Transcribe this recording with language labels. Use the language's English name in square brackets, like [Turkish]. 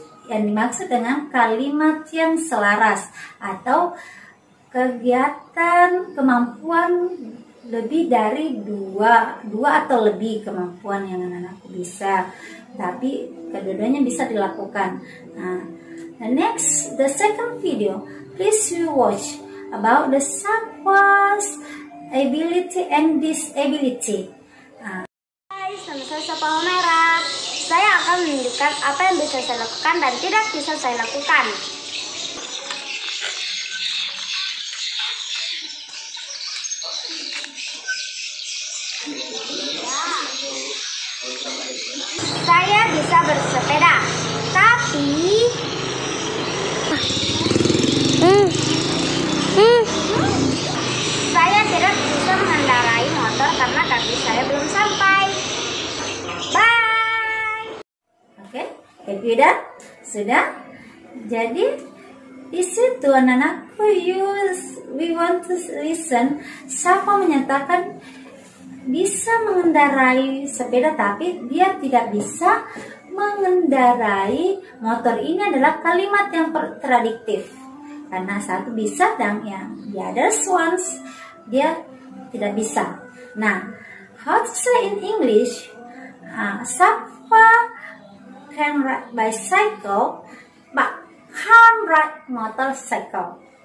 [Indonesian] Yang dimaksud dengan kalimat yang selaras atau kegiatan kemampuan lebih dari dua atau lebih kemampuan yang anak-anakku bisa. Tapi kedua-duanya bisa dilakukan. [English] Nah, the second video, please you watch about the Sapo's ability and disability. [Indonesian] Guys, nama saya Sapo Homera. Saya akan menunjukkan apa yang bisa saya lakukan dan tidak bisa saya lakukan. Saya bisa bersepeda, tapi saya tidak bisa mengendarai motor karena kaki saya belum sampai. [English] Bye. [Indonesian] Oke, happy dah? Sudah? Jadi di situ anak-anakku [English] we want to listen. [Indonesian] Siapa menyatakan bisa mengendarai sepeda tapi dia tidak bisa mengendarai motor. Ini adalah kalimat yang kontradiktif karena satu bisa dan yang [English] the other ones [Indonesian] dia tidak bisa. Nah, [English] how to say in English, Sapa can ride bicycle, but can't ride motorcycle.